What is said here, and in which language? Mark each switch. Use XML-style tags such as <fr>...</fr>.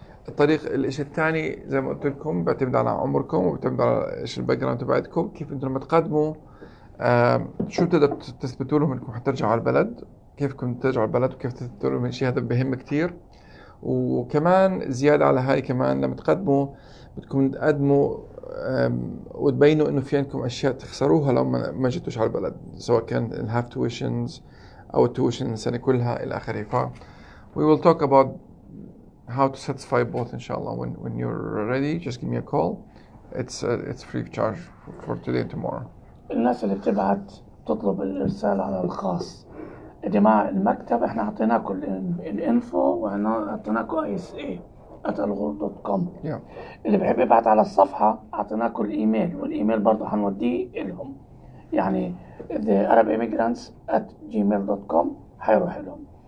<ar>الطريق الشيء الثاني زي ما قلت لكم بيعتمد على عمركم وبيعتمد على ايش الباك جراوند تبعتكم كيف انتم لما تقدموا شو بتقدر تثبتوا لهم انكم حترجعوا على البلد كيفكم ترجعوا على البلد وكيف تثبتوا لهم الشيء هذا بهم كثير. وكمان زياده على هاي كمان لما تقدموا بدكم تقدموا وتبينوا انه في عندكم اشياء تخسروها لو ما جيتوش على البلد سواء كان الهاف تويشنز او التويشن السنه كلها الى اخره.</ar> <en>ف we will talk about how to satisfy both inshallah when you're ready just give me a call it's free of charge for today and tomorrow.</en> <ar>الناس اللي بتبعت تطلب الارسال على الخاص يا جماعه المكتب احنا اعطيناكم الانفو وانا اعطيناكم isa@algo.com اللي بحب يبعت على الصفحه اعطيناكم الايميل والايميل برضه هنوديه لهم يعني thearabimmigrants@gmail.com حيروح لهم.</ar>